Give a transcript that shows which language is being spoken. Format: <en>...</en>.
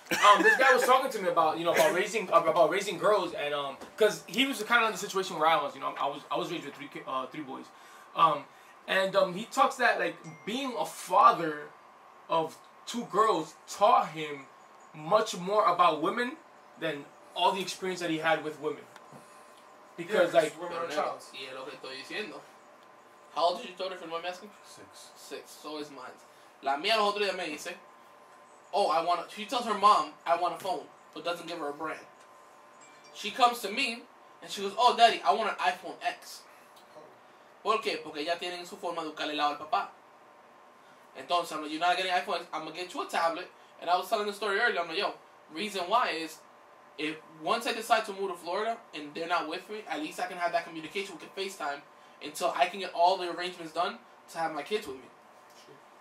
<en>This guy was talking to me about, you know, about raising girls, and because he was kind of in the situation where I was, you know, I was raised with three boys, he talks that like being a father of two girls taught him much more about women than all the experience that he had with women, because yeah, like women are child.</en> <es>Yeah, lo que estoy diciendo.</es> <en>How old is your daughter, if you don't mind me asking? Six. So is mine.</en> <es>La mía los otros días me dice,</es> <en>oh, I want a... She tells her mom, I want a phone, but doesn't give her a brand. She comes to me, and she goes, oh, daddy, I want an iPhone X.</en> <es>¿Por qué? Porque ya tienen su forma de educar el lado al papá.</es> <en>Entonces, I'm like, you're not getting an iPhone X, I'm going to get you a tablet. And I was telling the story earlier, I'm like, yo, reason why is, if once I decide to move to Florida, and they're not with me, at least I can have that communication, we can FaceTime, until I can get all the arrangements done to have my kids with me. Sure.</en>